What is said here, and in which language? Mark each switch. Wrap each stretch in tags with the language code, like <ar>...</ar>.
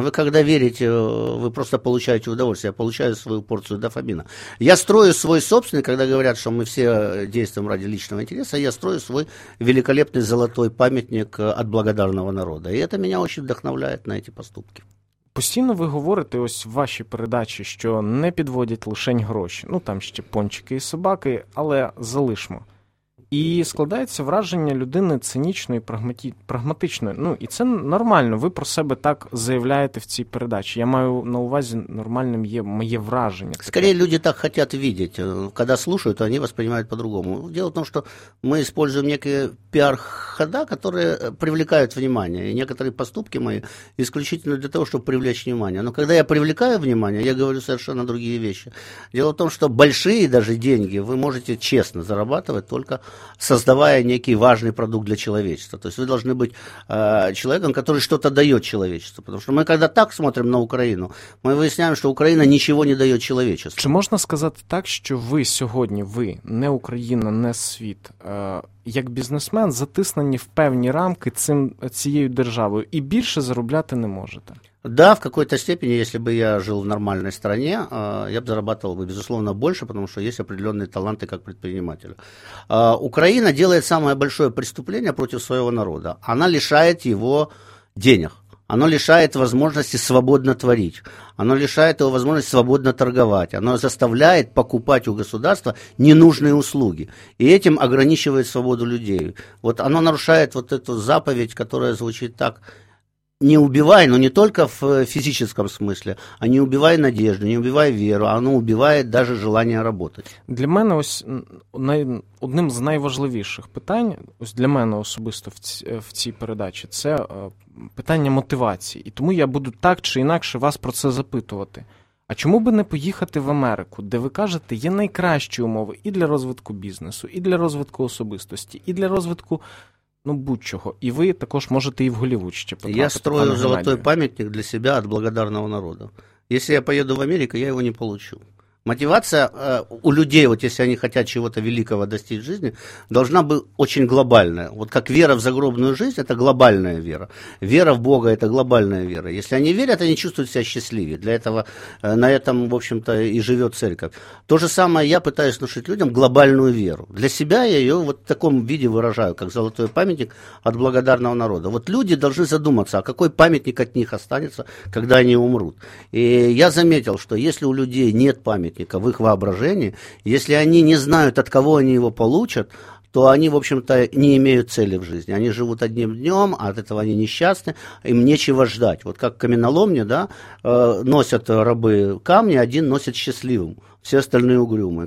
<ru>Вы когда верите, вы просто получаете удовольствие. Я получаю свою порцию дофамина. Я строю свой собственный, когда говорят, что мы все действуем ради личного интереса, я строю свой великолепный золотой памятник от благодарного народа. И это меня очень вдохновляет на эти поступки.</ru> <uk>Постійно ви говорите ось в вашій передачі, що не підводять лишень гроші. Ну, там ще пончики і собаки, але залишмо. І складається враження людини цинічної, прагматичної. Ну, і це нормально, ви про себе так заявляєте в цій передачі. Я маю на увазі, нормальним є моє враження. Скоріше, люди так хочуть бачити. Коли слухають, то вони сприймають по-другому. Діло в тому, що ми використовуємо некі піар-хода, які привлекають увагу. І деякі поступки мої виключно для того, щоб привлечь увагу. Але коли я привлекаю увагу, я говорю совершенно другі речі. Діло в тому, що великі навіть гроші ви можете чесно заробляти тільки</uk> <ru>создавая некий важный продукт для человечества. То есть вы должны быть человеком, который что-то дает человечеству. Потому что мы когда так смотрим на Украину, мы выясняем, что Украина ничего не дает человечеству. Чи можно сказать так, что вы сегодня, вы, не Украина,</ru> <uk>не світ, як бізнесмен, затиснені в певні рамки цією державою і більше заробляти не можете?</uk> <ru>Да, в какой-то степени, если бы я жил в нормальной стране, я бы зарабатывал бы, безусловно, больше, потому что есть определенные таланты как предпринимателя. Украина делает самое большое преступление против своего народа. Она лишает его денег. Оно лишает возможности свободно творить. Оно лишает его возможности свободно торговать. Оно заставляет покупать у государства ненужные услуги. И этим ограничивает свободу людей. Вот оно нарушает вот эту заповедь, которая звучит так: не убивай, но не только в физическом смысле, а не убивай надежду, не убивай веру, оно убивает даже желание работать.</ru> <uk>Для мене ось одним з найважливіших питань, ось для мене особисто в цій передачі, це питання мотивації. І тому я буду так чи інакше вас про це запитувати. А чому би не поїхати в Америку, де, ви кажете, є найкращі умови і для розвитку бізнесу, і для розвитку особистості, і для розвитку... Ну, будь-чого. І ви також можете і в Голлівуд ще потрапити. Я строю золотой пам'ятник для себе від благодарного народу. Якщо я поїду в Америку, я його не получу. Мотивація у людей, от якщо вони хочуть чого-то великого достичь в житті, должна бути дуже глобальна. От як віра в загробну життя, це глобальна віра. Віра в Бога – це глобальна віра. Якщо вони вірять, вони чувствують себе щасливі. Для цього на цьому, в общем-то, і живе церковь. То же саме я пытаюсь внушити людям глобальну віру. Для себе я її от в такому виді виражаю, як золотой пам'ятник від благодарного народу. От люди должны задуматься, а який пам'ятник від них останется, коли вони умруть. І я заметил, що якщо у людей нет пам'ятника,</uk> <ru>в их воображении, если они не знают, от кого они его получат, то они, в общем-то, не имеют цели в жизни. Они живут одним днем, а от этого они несчастны, им нечего ждать. Вот как каменоломни, да, носят рабы камни, один носит счастливым, все остальные угрюмые.</ru>